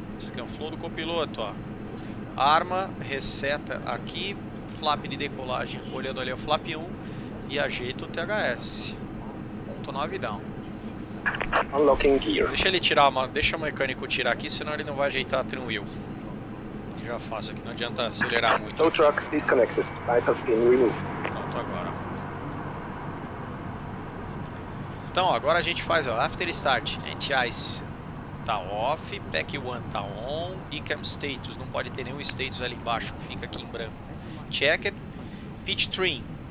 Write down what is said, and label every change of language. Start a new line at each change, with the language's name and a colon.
Portuguese: Scanflow do copiloto. Ó. Arma, reseta aqui. Flap de decolagem, olhando ali o flap 1. E ajeita o THS. Ponto 9 down.
English: Unlocking gear.
Portuguese: Deixa ele tirar, deixa o mecânico tirar aqui, senão ele não vai ajeitar a trim wheel. E já faço aqui, não adianta acelerar muito.
English: Tow truck disconnected, pipe has been removed.
Portuguese: Pronto, agora. Então, agora a gente faz, ó, after start, anti-ice tá off, pack 1 tá on, ICAM status, não pode ter nenhum status ali embaixo, fica aqui em branco.
English: Checked, pitch trim.